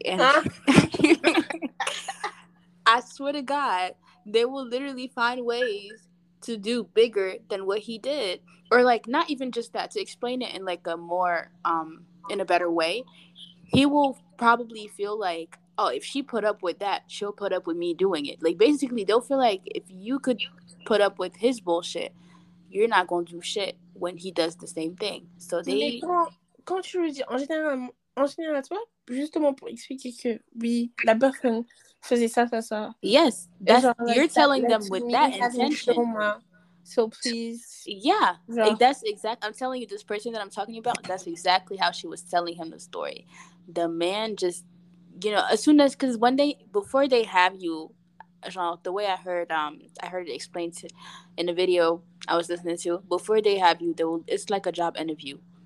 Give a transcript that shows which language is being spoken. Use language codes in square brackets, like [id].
[en] And I swear to God, they will literally find ways to do bigger than what he did, or like not even just that, to explain it in like a more in a better way, he will probably feel like, oh, if she put up with that, she'll put up with me doing it. Like, basically they'll feel like if you could put up with his bullshit, you're not gonna do shit when he does the same thing. So they [fr] quand tu veux dire en général à toi, justement pour expliquer que oui, la personne faisait ça, ça, ça. [en] Yes, that's, genre, you're like, telling that, them with that intention. So please. Yeah, like, that's exactly, I'm telling you, this person that I'm talking about, that's exactly how she was telling him the story. The man just, you know, as soon as, because when they, before they have you, genre, the way I heard it explained to, in a video I was listening to, before they have you, they will, it's like a job interview.